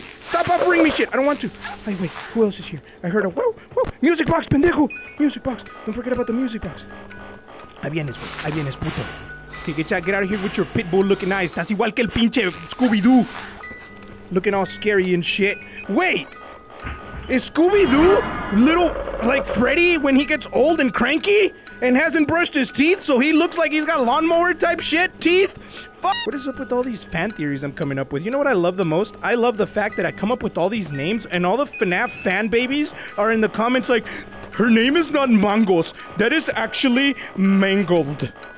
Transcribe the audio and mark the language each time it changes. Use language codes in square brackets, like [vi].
[en] Stop offering me shit. I don't want to. Hey, wait. Who else is here? I heard a... Whoa. Music box, pendejo. Music box. Don't forget about the music box. [es] Ahí vienes, puto. [en] Okay, get out of here with your pit bull looking eyes. [es] Estás igual que el pinche Scooby Doo. [en] Looking all scary and shit. Wait! Is Scooby Doo little like Freddy when he gets old and cranky? And hasn't brushed his teeth, so he looks like he's got lawnmower type shit teeth? Fuck! What is up with all these fan theories I'm coming up with? You know what I love the most? I love the fact that I come up with all these names and all the FNAF fan babies are in the comments like, her name is not Mangos, that is actually Mangled.